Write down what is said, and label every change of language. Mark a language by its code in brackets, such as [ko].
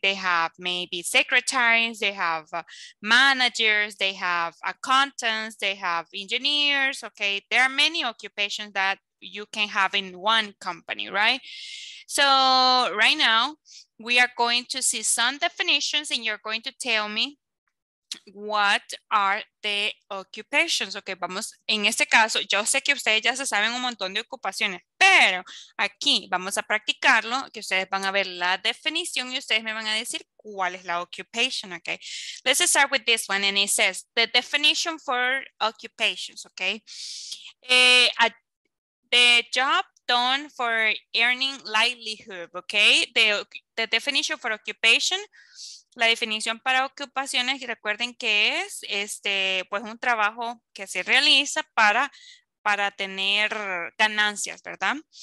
[en] They have maybe secretaries, they have managers, they have accountants, they have engineers, okay? There are many occupations that you can have in one company, right? So right now, we are going to see some definitions and you're going to tell me what are the occupations, okay? [es] Vamos, en este caso, yo sé que ustedes ya se saben un montón de ocupaciones, pero aquí vamos a practicarlo, que ustedes van a ver la definición y ustedes me van a decir cuál es la occupation, okay? [en] Let's start with this one, and it says, the definition for occupations, okay? The job done for earning livelihood, okay? The definition for occupation, [es] la definición para ocupaciones, y recuerden que es pues un trabajo que se realiza para tener ganancias, ¿verdad?